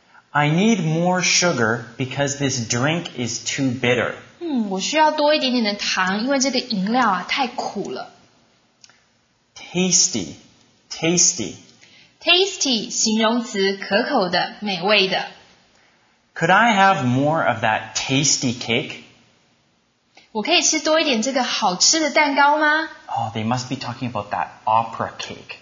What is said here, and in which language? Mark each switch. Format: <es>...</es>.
<en>I need more sugar because this drink is too bitter.</en> <zh>我需要多一点点的糖，因为这个饮料啊太苦了。</zh> <en>Tasty, tasty.</en> <zh>Tasty, 形容词，可口的，美味的。</zh> <en>Could I have more of that tasty cake?</en> <zh>我可以吃多一点这个好吃的蛋糕吗？</zh> <en>Oh, they must be talking about that opera cake.</en>